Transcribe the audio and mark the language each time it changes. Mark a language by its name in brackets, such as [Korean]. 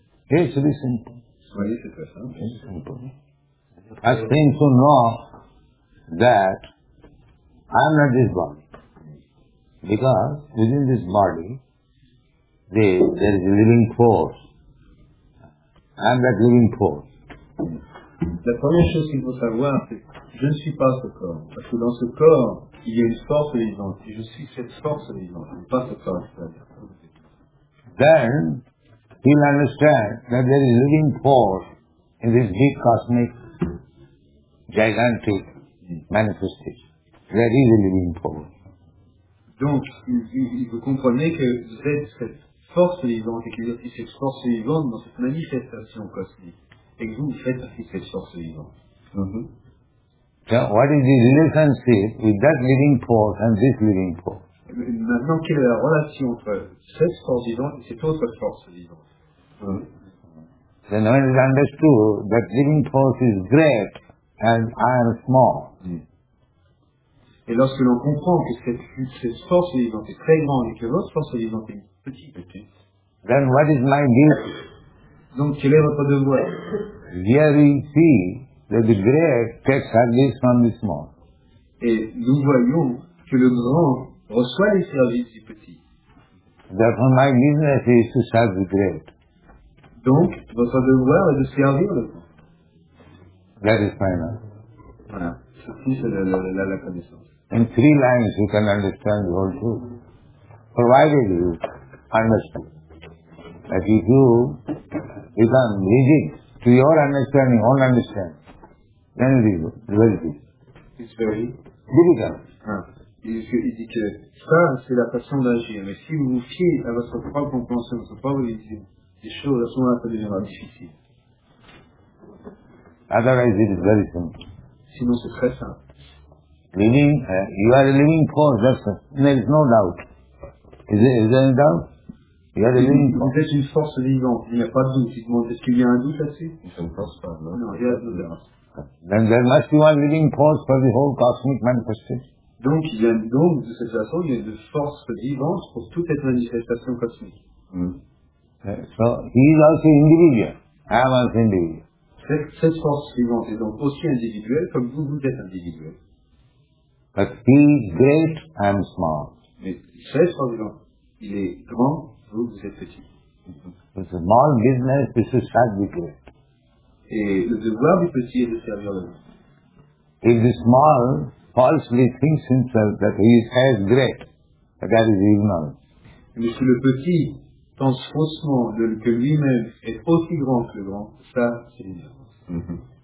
[English] Yes, it is simple. [French] Soyez, c'est très simple. [English] It's simple. I seem to know that I'm not this body. Because within this body, there is a living force. I'm that living force. [French] La première chose qu'il faut savoir, c'est je ne suis pas ce corps. Parce que dans ce corps, il y a une force vivante. Et je suis cette force vivante, pas ce corps. [English] Then, he'll understand that there is living force in this big cosmic, gigantic manifestation. There is a living force. [French] Donc, vous comprenez que vous êtes cette force vivante, et qu'il y a aussi cette force vivante dans cette manifestation cosmique. Et que vous faites aussi cette force vivante. Mm-hmm. [English] So what is the relationship with that living force and this living force? [French] Maintenant, quelle est la relation entre cette force vivante et cette autre force vivante? [English] Then when it's understood that living force is great and I am small. [French] Et lorsque l'on comprend que cette force vivante est très grande et que votre force vivante est petite, [English] then what is my duty? [French] Donc, quel est votre devoir? [English] Here we see that the great takes service from the small. [French] Et nous voyons que le grand reçoit les services du petit. [English] Therefore, my business is to serve the great. [French] Donc, votre devoir est de servir le grand. [English] That is final. [French] Voilà. Ceci, c'est la connaissance. [English] In three lines, you can understand the whole truth. Provided you understand. That if you become rigid to your understanding, own understanding, then it is very good. It's very difficult. [French] Il dit que ça, c'est la façon d'agir. Mais si vous vous fiez à votre propre compréhension, votre propre vision, les choses, à ce moment-là, ça deviendra difficile. [English] Otherwise, it is very simple. [French] Sinon, c'est très simple. [English] Living, you are a living force, that's it. There is no doubt. Is there any doubt? You are a living force. [French] Vous êtes une force vivante. Il n'y a pas de doute. Est-ce qu'il y a un doute là-dessus? C'est une force, pas. Non, il y a un doute. [English] Then there must be one living force for the whole cosmic manifestation. [French] Donc, il y a donc, de cette façon, il y a une force vivante pour toute cette manifestation cosmique. [English] So, he is also individual. I am also individual. [French] Cette force vivante est donc aussi individuelle comme vous êtes individuel. [English] But he is great, I am small. [French] Mais cette force vivante, il est grand, vous êtes petit. [English] The small business is to serve the great. [French] Et le devoir du petit est de servir le grand. [English] If the small falsely thinks himself that he is as great, that is ignorance. [French] Mais si le petit pense faussement de, que lui-même est aussi grand que le grand, ça, c'est une erreur.